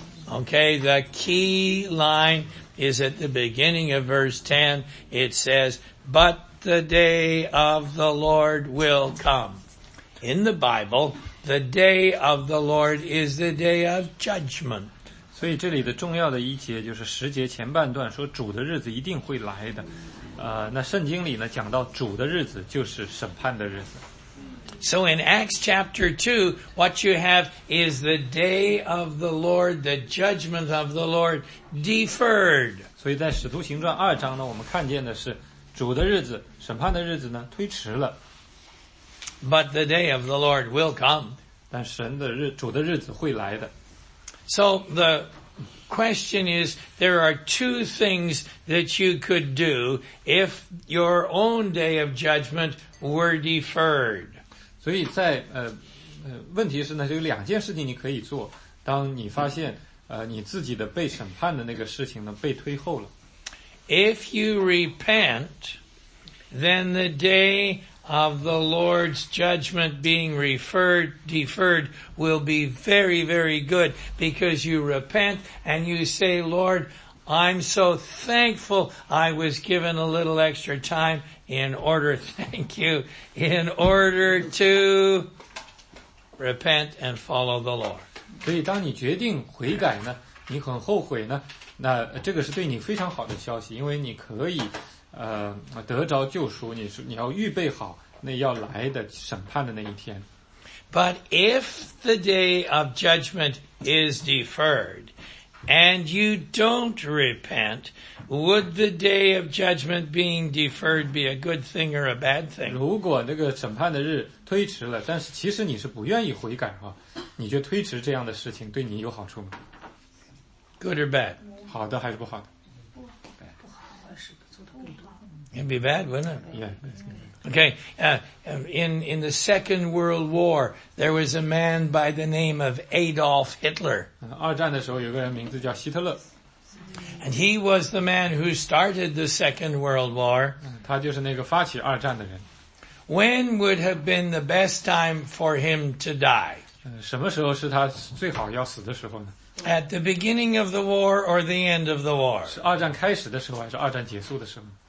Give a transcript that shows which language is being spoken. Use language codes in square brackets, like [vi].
[en] Okay, the key line is at the beginning of verse 10. It says, but the day of the Lord will come. In the Bible, the day of the Lord is the day of judgment. [zh] 所以这里的重要的一节就是十节前半段说主的日子一定会来的。那圣经里呢讲到主的日子就是审判的日子。 [en] So in Acts chapter 2, what you have is the day of the Lord, the judgment of the Lord deferred. [zh] 所以在使徒行传二章呢我们看见的是主的日子审判的日子呢推迟了。 [en] But the day of the Lord will come. [zh] 但神的日主的日子会来的。 [en] So the question is, there are two things that you could do if your own day of judgment were deferred. [zh] 所以在问题是呢，有两件事情你可以做，当你发现你自己的被审判的那个事情呢被推后了。 [en] If you repent, then the day of the Lord's judgment being deferred will be very, very good because you repent and you say, Lord, I'm so thankful I was given a little extra time in order to repent and follow the Lord. [zh] 所以当你决定悔改呢你很后悔呢那这个是对你非常好的消息因为你可以得着救赎你要预备好那要来的审判的那一天。 [en] But if the day of judgment is deferred, and you don't repent, would the day of judgment being deferred be a good thing or a bad thing? [zh] 如果那个审判的日推迟了，但是其实你是不愿意悔改啊，你就推迟这样的事情，对你有好处吗 [en] ？Good or bad? [zh] 好的还是不好的？不好，是做的更多。 [en] It'd be bad, wouldn't it? Yeah. Okay, in the Second World War, there was a man by the name of Adolf Hitler. [zh] 二战的时候有个人名字叫希特勒。 [en] And he was the man who started the Second World War. [zh] 他就是那个发起二战的人。 [en] When would have been the best time for him to die? [zh] 什么时候是他最好要死的时候呢？ [en] At the beginning of the war or the end of the war? [zh] 是二战开始的时候还是二战结束的时候？